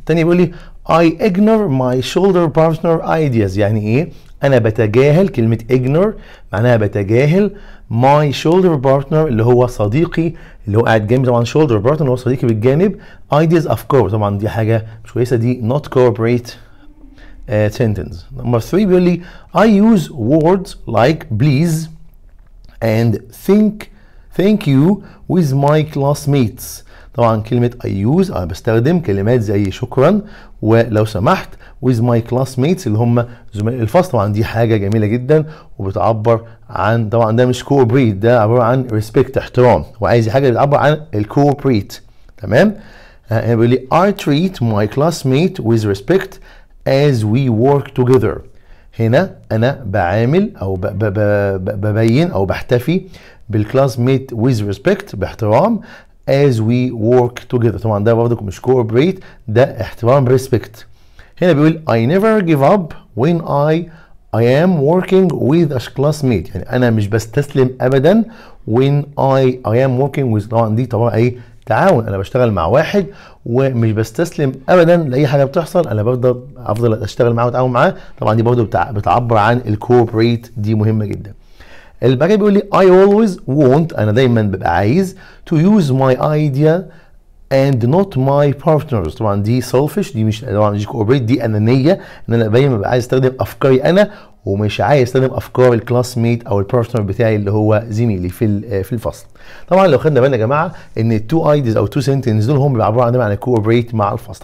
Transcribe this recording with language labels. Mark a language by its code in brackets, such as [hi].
[ar] تاني بيقول لي [en] I ignore my shoulder partner ideas، [ar] يعني ايه؟ انا بتجاهل. كلمه ignore معناها بتجاهل [en] my shoulder partner [ar] اللي هو صديقي اللي هو قاعد جنبي. طبعا shoulder partner هو صديقي بالجانب. [en] ideas of course، [ar] طبعا دي حاجه مش كويسه، دي [en] not cooperate sentence. [ar] نمبر 3 بيقول لي [en] I use words like please and thank you with my classmates. [ar] طبعا كلمة [en] I use [ar] أنا بستخدم كلمات زي شكرا ولو سمحت [en] with my classmates [ar] اللي هم زملاء الفصل. طبعا دي حاجة جميلة جدا وبتعبر عن، طبعا ده مش cooperate، ده عبارة عن respect احترام، وعايز حاجة بتعبر عن cooperate. تمام؟ أنا بقول لي [en] I treat my classmates with respect as we work together. [ar] هنا أنا بعامل أو ببين أو بحتفي بالكلاس ميت [en] with respect [ar] باحترام [en] as we work together. [ar] طبعا ده برضك مش cooperate، ده احترام respect. هنا بيقول [en] I never give up when I am working with a classmate، [ar] يعني أنا مش بستسلم أبدا [en] when I am working with. [ar] طبعا دي طبعا أي تعاون، أنا بشتغل مع واحد ومش بستسلم أبدا لأي حاجة بتحصل، أنا بفضل أفضل أشتغل معه وأتعاون معاه. طبعا دي برضه بتعبر عن الكوبريت، دي مهمة جدا. البقية بيقول لي [en] I always want، [ar] أنا دايما ببقى عايز [en] to use my idea and not my partners. [ar] طبعا دي selfish، دي مش طبعا دي كوبريت، دي أنانية، إن أنا دايما ببقى عايز أستخدم أفكاري أنا ومش عايز استخدم افكار الكلاس ميت او البارتنر بتاعي اللي هو زميلي في الفصل. طبعا لو خدنا بالنا يا جماعه ان التو ايديز او تو سنتنس دول هم بيعبروا عن معنى كوبريت مع الفصل.